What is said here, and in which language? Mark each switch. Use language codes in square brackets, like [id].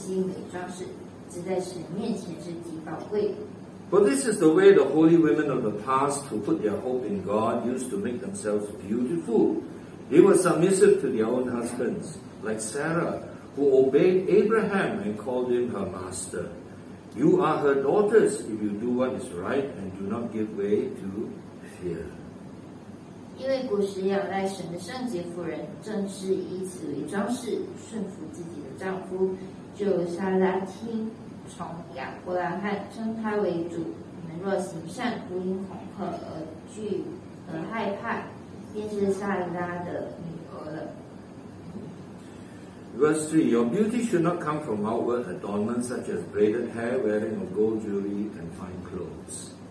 [zh] 你们不要以外面的编头发戴金饰穿美衣为装饰，只要以里面存着长久温柔安静心为装饰，只在神面前是极宝贵。 [en] But this is the way the holy women of the past who put their hope in God used to make themselves beautiful. They were submissive to their own husbands, like Sarah, who obeyed Abraham and called him her master. You are her daughters if you do what is right and do not give way to fear. [zh] 因为古时仰赖神的圣洁妇人，正是以此为装饰，顺服自己的丈夫，就撒拉听从亚伯拉罕称他为主。你们若行善，不因恐吓而惧而害怕，便是撒拉的女儿了。 [en] Verse 3, your beauty should not come from outward adornments such as braided hair, wearing of gold jewelry, and fine clothes.